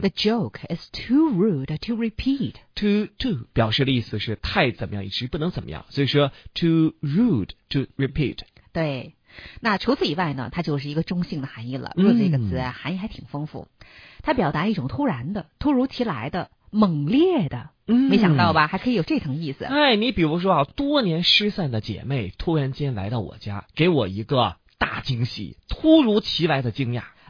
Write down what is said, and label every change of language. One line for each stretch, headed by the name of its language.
English: The joke is too rude to repeat.
Chinese: To 表示的意思是太怎么样，以至于不能怎么样。所以说
English: too rude to repeat.
Chinese: 对。那除此以外呢，它就是一个中性的含义了。rude 这个词含义还挺丰富，它表达一种突然的、突如其来的。猛烈的，没想到吧、还可以有这层意思。哎，你比如说啊，多年失散的姐妹突然间来到我家，给我一个大惊喜，突如其来的惊讶。